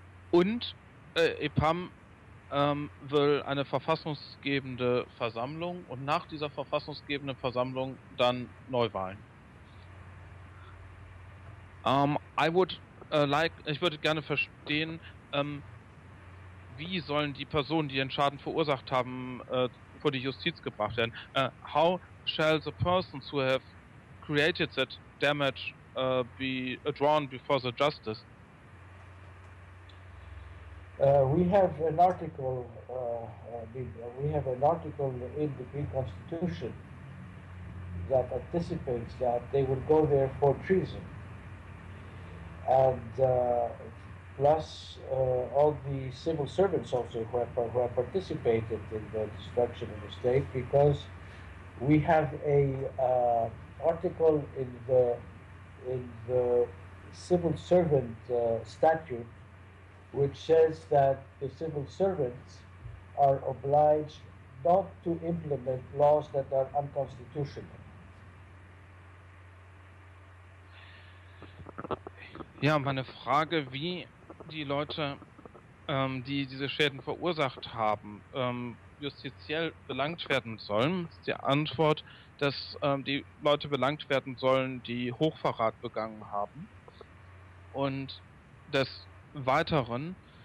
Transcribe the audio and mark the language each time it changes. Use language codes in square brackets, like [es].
[de] Und EPAM will eine verfassungsgebende Versammlung und nach dieser verfassungsgebenden Versammlung dann Neuwahlen. Ich würde gerne verstehen, wie sollen die Personen, die den Schaden verursacht haben, vor die Justiz gebracht werden? [en] How shall the persons who have created that damage be drawn before the justice? We have an article. We have an article in the Greek Constitution that anticipates that they would go there for treason, and plus all the civil servants also who have participated in the destruction of the state, because we have a article in the civil servant statute, which says that the civil servants are obliged not to implement laws that are unconstitutional. [de] Ja, meine Frage, wie die Leute, die diese Schäden verursacht haben, justiziell belangt werden sollen, ist die Antwort, dass die Leute belangt werden sollen, die Hochverrat begangen haben. Und das Weiteren,